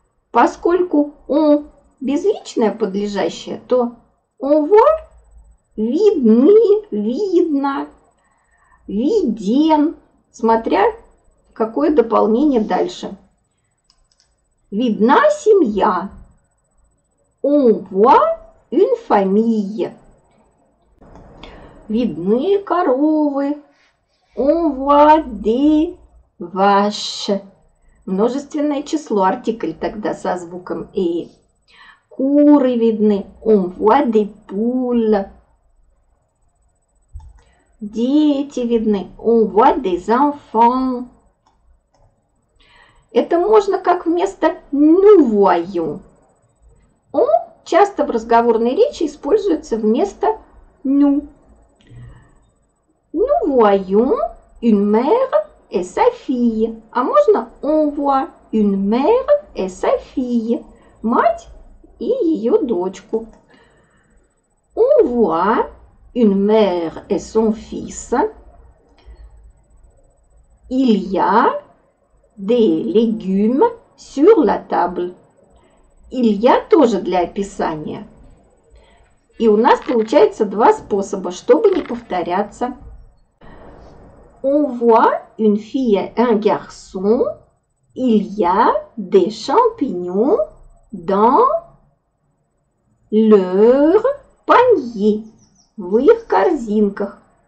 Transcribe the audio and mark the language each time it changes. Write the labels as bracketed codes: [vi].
[ru] Поскольку у безличное подлежащее, то ува видны, видно, виден, смотря какое дополнение дальше. Видна семья. [fr] Ува une famille. [ru] Видны коровы. [fr] On voit des vaches. [ru] Множественное число, артикль тогда со звуком «э». Куры видны. [fr] On voit des poules. [ru] Дети видны. [fr] On voit des enfants. [ru] Это можно как вместо [fr] «nous voyons». [ru] «On» часто в разговорной речи используется вместо «nous». [fr] Nous voyons une mère et sa fille. [ru] А можно [fr] on voit une mère et sa fille. [ru] Мать и ее дочку. [fr] On voit une mère et son fils. Il y a des légumes sur la table. Il y a [ru] тоже для описания. И у нас получается два способа, чтобы не повторяться. [fr] On voit une fille et un garçon. Il y a des champignons dans leur panier. [ru] В их корзинках.